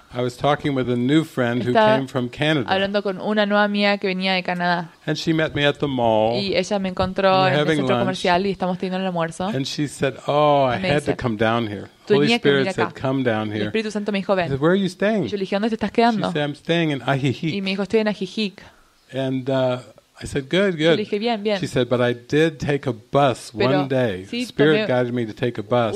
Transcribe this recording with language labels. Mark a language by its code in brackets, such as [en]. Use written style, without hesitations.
[en] I was talking with a new friend who came from Canada. [es] Hablando con una nueva amiga que venía de Canadá. [en] And she met me at the mall. [es] Y ella me encontró en el centro comercial y estamos teniendo el almuerzo. [en] And she said, "Oh, I had to come down here." Holy Spirit said, "Come down here." [es] El Espíritu Santo me dijo, "Ven." [en] I said, "Where are you staying?" [es] Yo le dije, "¿Dónde te estás quedando?" [en] She said, "I'm staying in Ajijic." [es] Y me dijo, "Estoy en Ajijic." [en] And I said, "Good, good." [es] Yo le dije, bien, bien. [en] She said, "But I did take a bus [es] pero [en] one day. [es] Sí, [en] Spirit guided me to take a bus.